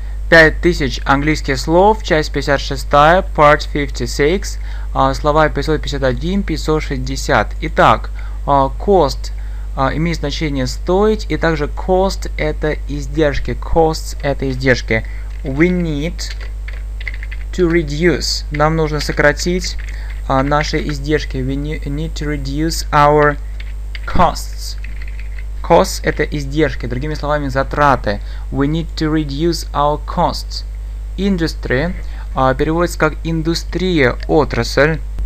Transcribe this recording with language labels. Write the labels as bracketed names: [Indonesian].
[Russian] 5000 английских слов, часть 56, [English] part 56, [Russian] слова 551, 560. Итак, cost имеет значение стоить, и также cost – это издержки. Costs – это издержки. [English] We need to reduce. [Russian] Нам нужно сократить наши издержки. [English] We need to reduce our costs. [Russian] Costs – это издержки, другими словами, затраты. [English] We need to reduce our costs. [Russian] Industry переводится как индустрия, отрасль.